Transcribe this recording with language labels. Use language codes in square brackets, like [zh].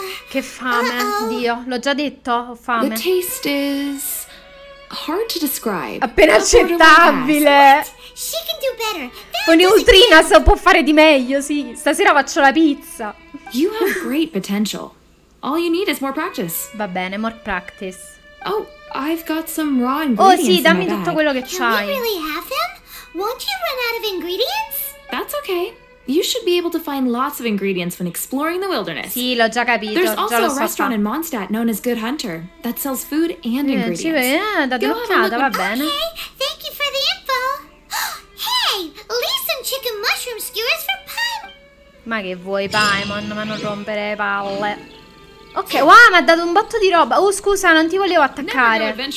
[it] Che fame, Dio, l'ho già detto, ho fame. [en] The taste is hard to describe. [it] Appena accettabile. [en] She can do better. [it] Con neutrina se può fare di meglio, sì. Stasera faccio la pizza. [en] You have great potential. All you need is more practice. [it] Va bene, [en] more practice. Oh, I've got some raw ingredients. [it] Oh sì, dammi tutto Quello che c'hai. [en] Can we really have them? Won't you run out of ingredients? That's okay. You should be able to find lots of ingredients when exploring the wilderness. [it] Sì, l'ho già capito. [en] There's also [it] già lo [en] a restaurant in Mondstadt known as Good Hunter that sells food and ingredients. [it] Sì, date un'occhiata, va bene. [en] Okay, thank you for the info. Hey, leave some chicken mushroom skewers for Paimon. [it] Ma che vuoi, Paimon? Ma non rompere le palle. Ok, wow, mi ha dato un botto di roba. Oh, scusa, non ti volevo attaccare.